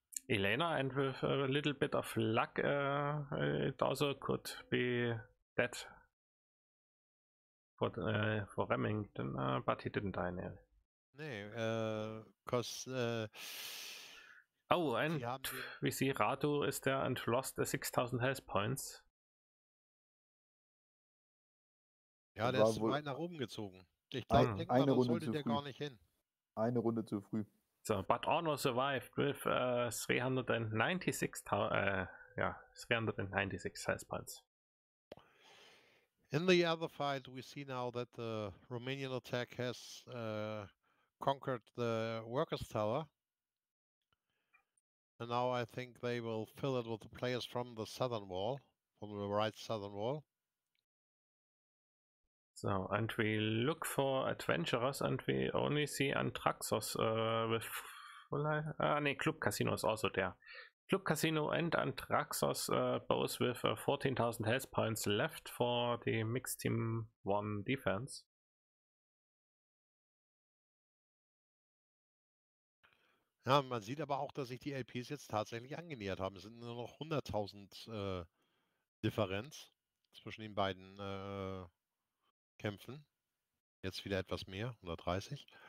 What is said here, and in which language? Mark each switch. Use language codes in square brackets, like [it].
[en] Elena, and with a little bit of luck, it also could be dead for Remington, but he didn't die now. Nee, because... Oh, and we see Ratu is there and lost 6,000 health points. [de] Ja, der ist weit nach oben gezogen. Ich denke mal, sonst sollte der gar nicht hin. Eine Runde zu früh. [en] So, but Arno survived with 396 health points. In the other fight, we see now that the Romanian attack has conquered the Workers' Tower. And now I think they will fill it with the players from the southern wall, from the right southern wall. So, and we look for adventurers, and we only see Antraxos with full life. Ah, nee, Club Casino is also there. Club Casino and Antraxos both with 14,000 health points left for the mixed team one defense. [de] Ja, man sieht aber auch, dass sich die LPs jetzt tatsächlich angenähert haben. Es sind nur noch 100.000 Differenz zwischen den beiden Kämpfen. Jetzt wieder etwas mehr, 130.